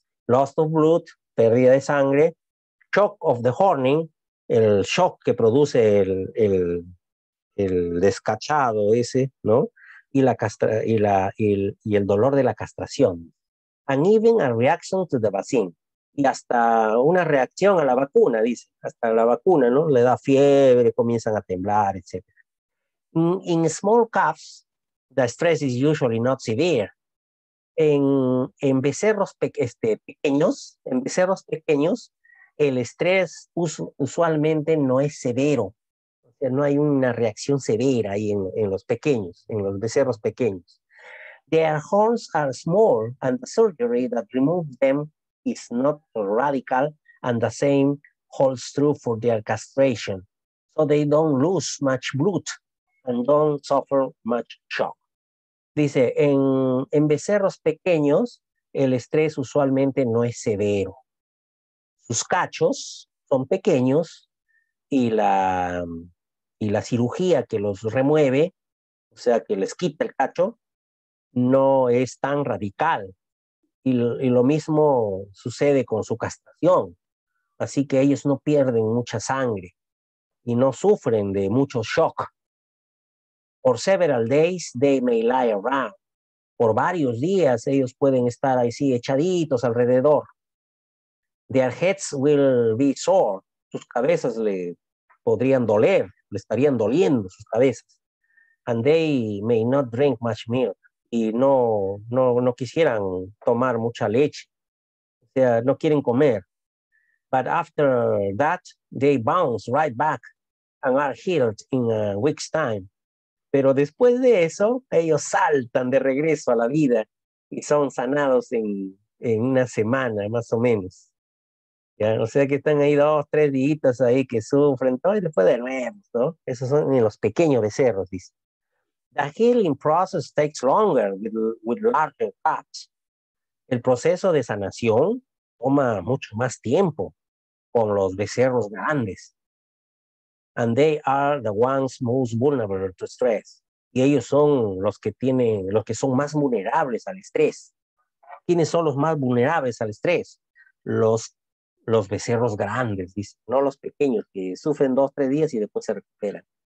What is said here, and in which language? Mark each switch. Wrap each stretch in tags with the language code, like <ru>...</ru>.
<en>Loss of blood,</en> <es>pérdida de sangre,</es> <en>shock of the horning,</en> <es>el shock que produce el descachado ese, ¿no? Y la castra y la y el dolor de la castración.</es> <en>And even a reaction to the vaccine.</en> <es>Y hasta una reacción a la vacuna, dice, hasta la vacuna, ¿no? Le da fiebre, comienzan a temblar, etc.</es> <en>In small calves, the stress is usually not severe.</en> <es>En becerros pequeños, en becerros pequeños, el estrés usualmente no es severo. O sea, no hay una reacción severa ahí en los pequeños, en los becerros pequeños.</es> <en>Their horns are small and the surgery that removes them is not radical and the same holds true for their castration. So they don't lose much blood and don't suffer much shock.</en> <es>Dice, en becerros pequeños, el estrés usualmente no es severo. Sus cachos son pequeños y la cirugía que los remueve, o sea, que les quita el cacho, no es tan radical. Y lo mismo sucede con su castración. Así que ellos no pierden mucha sangre y no sufren de mucho shock.</es> <en>For several days, they may lie around.</en> <es>Por varios días, ellos pueden estar ahí sí, echaditos alrededor.</es> <en>Their heads will be sore.</en> <es>Sus cabezas le podrían doler, le estarían doliendo sus cabezas.</es> <en>And they may not drink much milk.</en> <es>Y no quisieran tomar mucha leche. O sea, no quieren comer.</es> <en>But after that, they bounce right back and are healed in a week's time.</en> <es>Pero después de eso, ellos saltan de regreso a la vida y son sanados en una semana, más o menos. ¿Ya? O sea que están ahí 2, 3 días ahí que sufren todo y después de nuevo, ¿no? Esos son en los pequeños becerros, dice.</es> <en>The healing process takes longer with larger calves.</en> <es>El proceso de sanación toma mucho más tiempo con los becerros grandes.</es> <en>And they are the ones most vulnerable to stress.</en> <es>Y ellos son los que son más vulnerables al estrés. ¿Quiénes son los más vulnerables al estrés? Los becerros grandes, dice, no los pequeños, que sufren 2, 3 días y después se recuperan.</es>